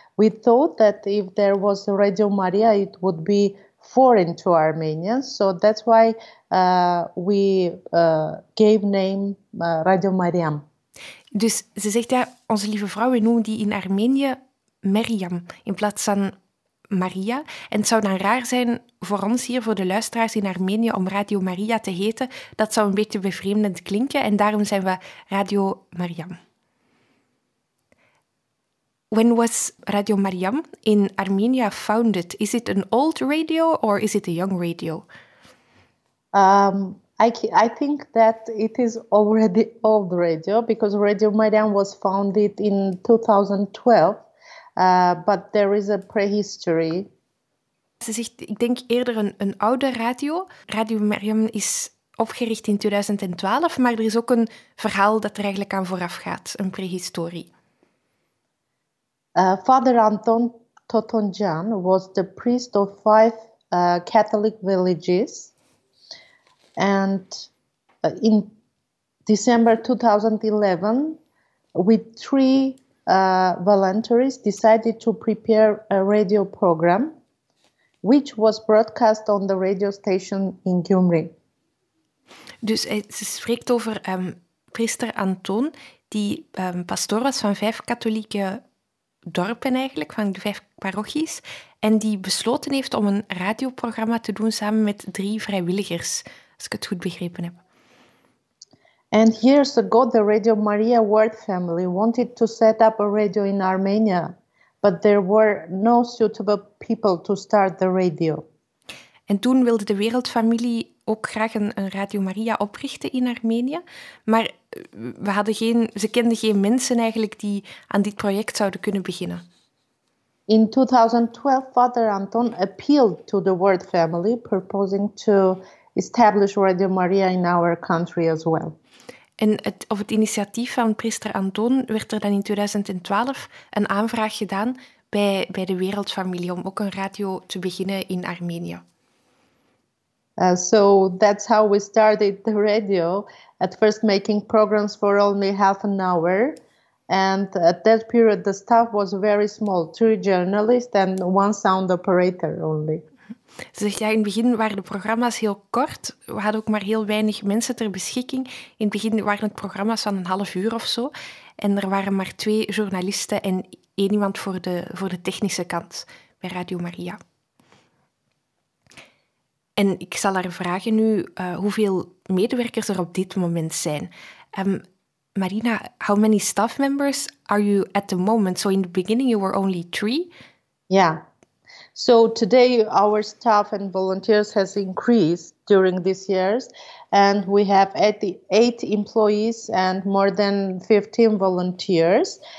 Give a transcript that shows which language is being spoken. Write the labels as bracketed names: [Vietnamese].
[English] We thought that if there was Radio Maria, it would be foreign to Armenia. So that's why we gave name Radio Mariam. [Dutch] Dus ze zegt ja, onze lieve vrouw, we noemen die in Armenië Mariam in plaats van Maria. En het zou dan raar zijn voor ons hier, voor de luisteraars in Armenië, om Radio Maria te heten. Dat zou een beetje bevreemdend klinken en daarom zijn we Radio Mariam. [English] When was Radio Mariam in Armenia founded? Is it an old radio or is it a young radio? I think that it is already old radio because Radio Mariam was founded in 2012, but there is a prehistory. [Dutch] Ik denk eerder een oude radio. Radio Mariam is opgericht in 2012, maar er is ook een verhaal dat er eigenlijk aan vooraf gaat, een prehistorie. [English] Father Anton Totonjan was the priest of five Catholic villages, and in December 2011, with three voluntaries, decided to prepare a radio program, which was broadcast on the radio station in Gyumri. [Dutch] Dus ze spreekt over priester Anton, die pastoor was van vijf katholieke dorpen eigenlijk, van de vijf parochies, en die besloten heeft om een radioprogramma te doen samen met drie vrijwilligers, als ik het goed begrepen heb. [English] And years ago, the Radio Maria Ward family wanted to set up a radio in Armenia, but there were no suitable people to start the radio. [Dutch] En toen wilde de Wereldfamilie ook graag een Radio Maria oprichten in Armenië, maar ze kenden geen mensen eigenlijk die aan dit project zouden kunnen beginnen. [English] In 2012, Father Anton appealed to the Ward family, proposing to establish Radio Maria in our country as well. [Dutch] En op het initiatief van priester Anton werd er dan in 2012 een aanvraag gedaan bij de Wereldfamilie om ook een radio te beginnen in Armenië. [English] So that's how we started the radio, at first making programs for only half an hour. And at that period, the staff was very small, three journalists and one sound operator only. [Dutch] Ze zegt, ja, in het begin waren de programma's heel kort. We hadden ook maar heel weinig mensen ter beschikking. In het begin waren het programma's van een half uur of zo. En er waren maar twee journalisten en één iemand voor de technische kant bij Radio Maria. En ik zal haar vragen nu hoeveel medewerkers er op dit moment zijn. [English] Marina, how many staff members are you at the moment? So in the beginning you were only three? Yeah. So today our staff and volunteers has increased during these years. And we have 8 employees and more than 15 volunteers.